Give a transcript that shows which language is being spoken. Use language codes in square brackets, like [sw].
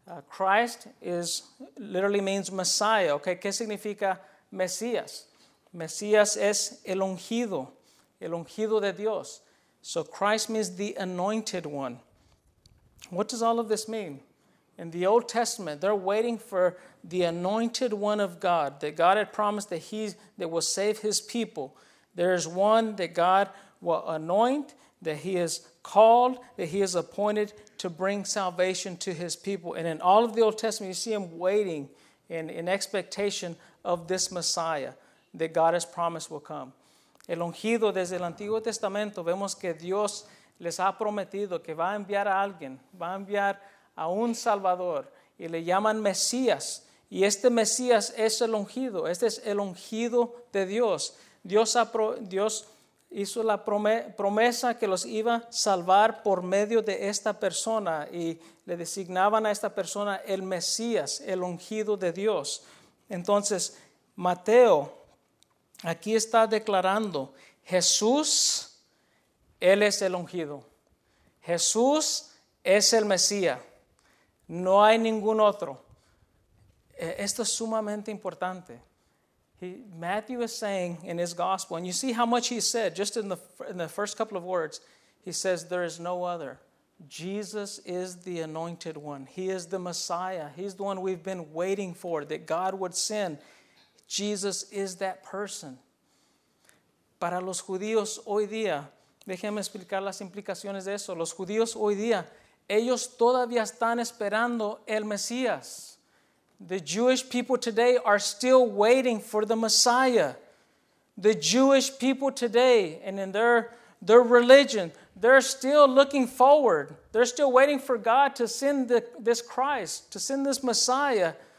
[en] Christ is literally means Messiah. [es] Okay, ¿qué significa Mesías? Mesías es el ungido de Dios. [en] So Christ means the anointed one. What does all of this mean? In the Old Testament, they're waiting for the anointed one of God, that God had promised that that will save his people. There is one that God will anoint, that he is called, that he is appointed to bring salvation to his people. And in all of the Old Testament, you see him waiting in expectation of this Messiah that God has promised will come. [es] El ungido desde el Antiguo Testamento, vemos que Dios les ha prometido que va a enviar a alguien, va a enviar a un Salvador, y le llaman Mesías. Y este Mesías es el ungido, este es el ungido de Dios. Dios hizo la promesa que los iba a salvar por medio de esta persona, y le designaban a esta persona el Mesías, el ungido de Dios. Entonces, Mateo aquí está declarando, Jesús, él es el ungido. Jesús es el Mesías. No hay ningún otro. Esto es sumamente importante. [en] Matthew is saying in his gospel, and you see how much he said just in the first couple of words, he says, there is no other. Jesus is the anointed one. He is the Messiah. He's the one we've been waiting for, that God would send. Jesus is that person. [es] Para los judíos hoy día, déjenme explicar las implicaciones de eso. Los judíos hoy día, ellos todavía están esperando el Mesías. [en] The Jewish people today are still waiting for the Messiah. The Jewish people today, and in their religion, they're still looking forward. They're still waiting for God to send this Christ, to send this Messiah.